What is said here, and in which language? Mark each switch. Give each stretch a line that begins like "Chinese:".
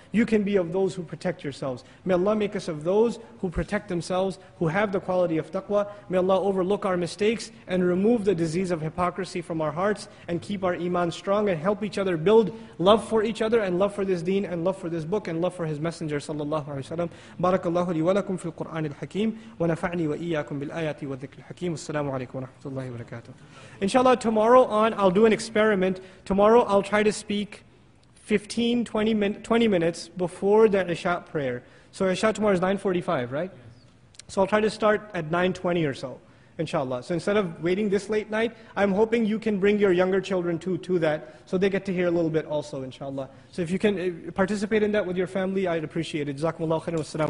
English: You can be of those who protect yourselves. May Allah make us of those who protect themselves, who have the quality of taqwa. May Allah overlook our mistakes and remove the disease of hypocrisy from our hearts and keep our iman strong and help each other build love for each other and love for this deen and love for this book and love for His Messenger sallallahu alayhi wa sallam.
Arabic: Barakallahu li wa lakum fil Qur'an al-Hakim wa nafa'ni wa iyyakum بالآيات والذكر الحكيم. السلام عليكم ورحمة الله وبركاته. إن شاء الله
English: tomorrow on I'll do an experiment. Tomorrow I'll try to speak 15-20 minutes before the Isha prayer. So Isha tomorrow is 9:45, right? Yes. So I'll try to start at 9:20 or so, inshallah. So instead of waiting this late night, I'm hoping you can bring your younger children to that, so they get to hear a little bit also, inshallah. So if you can participate in that with your family, I'd appreciate it. JazakumAllahu khairan. Wassalam.